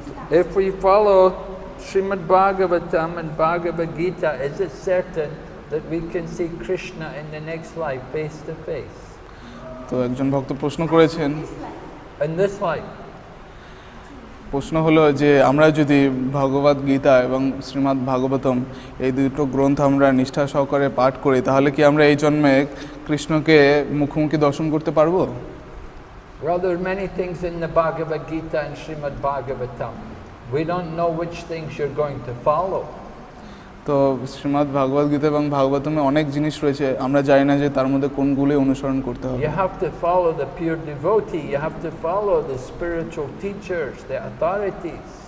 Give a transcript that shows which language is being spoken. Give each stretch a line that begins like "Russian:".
English: If we follow Srimad Bhagavatam and Bhagavad Gita, is it certain that we can see Krishna in the next life face to face?
Bangla: তো একজন ভক্ত প্রশ্ন করেছেন
English: In this life.
Bangla: প্রশ্ন হলো যে আমরা যদি ভগবদ গীতা এবং শ্রীমদ্ ভাগবতম এই দুটো গ্রন্থ আমরা নিষ্ঠা সহকারে পাঠ করি তাহলে কি আমরা এই জন্মে কৃষ্ণকে মুখোমুখি দর্শন করতে পারবো?
English: Well, there are many things in the Bhagavad Gita and Srimad Bhagavatam. We don't know which things you're going to follow.
Bangla: So, Srimad Bhagavad Gita and Bhagavatam, অনেক জিনিস রয়েছে। আমরা জানি না যে তার মধ্যে কোনগুলো অনুসরণ করতে হবে।
English: You have to follow the pure devotee. You have to follow the spiritual teachers, the authorities.